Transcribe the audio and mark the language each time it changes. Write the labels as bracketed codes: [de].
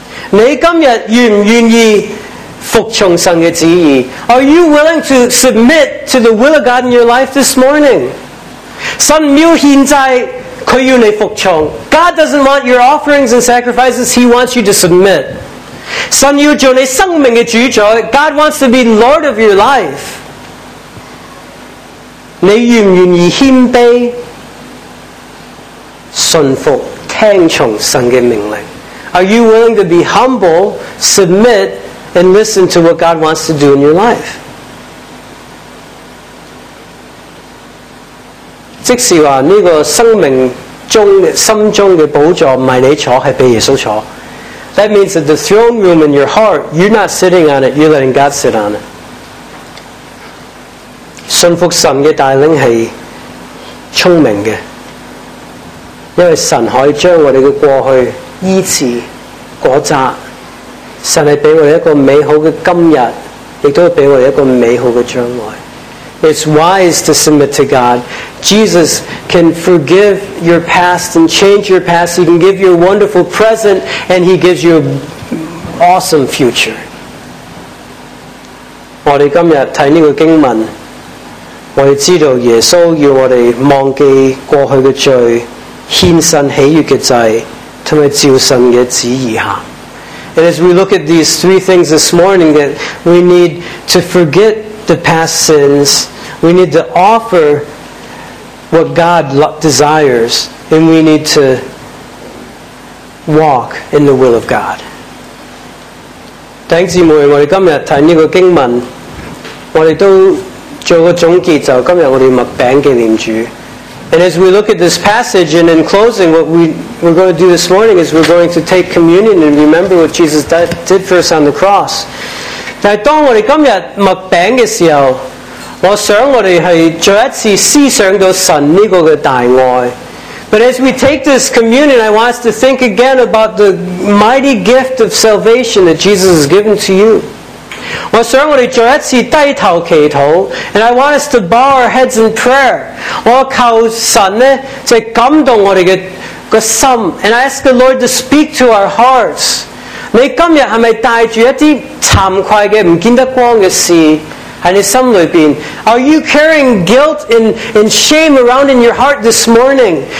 [zh] 你今天愿不愿意服从神的旨意？ [en] Are you willing to submit to the will of God in your life this morning? [zh] 神没有现在他要你服从。 [en] God doesn't want your offerings and sacrifices, he wants you to submit. [zh] 神要做你生命的主宰， [en] God wants to be Lord of your life. [zh] 你愿不愿意谦卑顺服听从神的命令？ [en] Are you willing to be humble, submit,and listen to what God wants to do in your life. [zh] 即是说这个生命中心中的宝座不是你坐，是被耶稣坐。 [en] That means that the throne room in your heart, you're not sitting on it, you're letting God sit on it. [zh] 顺服神的带领是聪明的，因为神可以将我们的过去医治果扎。神是给我们一个美好的今天，也都给我们一个美好的将来。 [en] It's wise to submit to God. Jesus can forgive your past and change your past. He can give you a wonderful present and he gives you an awesome future. [zh] 我们今天看这个经文，我们知道耶稣要我们忘记过去的罪，献身喜悦的祭，同埋照神的旨意行。 [en] And as we look at these three things this morning, that we need to forget the past sins, we need to offer what God desires, and we need to walk in the will of God. [zh] 弟兄姊妹，我们今天看这个经文，我们都做个总结，就今天我们默饼纪念主。 [en] And as we look at this passage, and in closing, what we're going to do this morning is we're going to take communion and remember what Jesus did for us on the cross. [zh] 但当我们今天默饼的时候，我想我们是再一次思想到神这个的大爱。 [en] But as we take this communion, I want us to think again about the mighty gift of salvation that Jesus has given to you. [zh] 我想我们再一次低头祈祷， [en] and I want us to bow our heads in prayer. [zh] 我求神呢，就感动我们的心， [en] and I ask the Lord to speak to our hearts. [zh] 你今天是不是带着一些惭愧的不见得光的事在你心里边？ [en] Are you carrying guilt and shame around in your heart this morning?